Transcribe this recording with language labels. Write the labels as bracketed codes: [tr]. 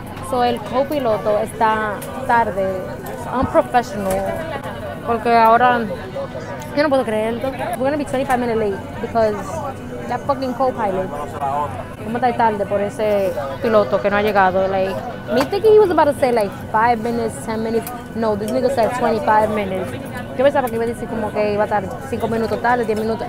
[es] So el copiloto está tarde, [en] unprofessional, [es] porque ahora yo no puedo creer. [en] We're gonna be 25 minutes late because that fucking copilot. [es] Vamos a estar tarde por ese piloto que no ha llegado. [en] Like, me thinking he was about to say like 5 minutes, 10 minutes. No, this nigga said 25 minutes. [es] Yo pensaba que iba a decir como que iba a estar 5 minutos tarde, 10 minutos.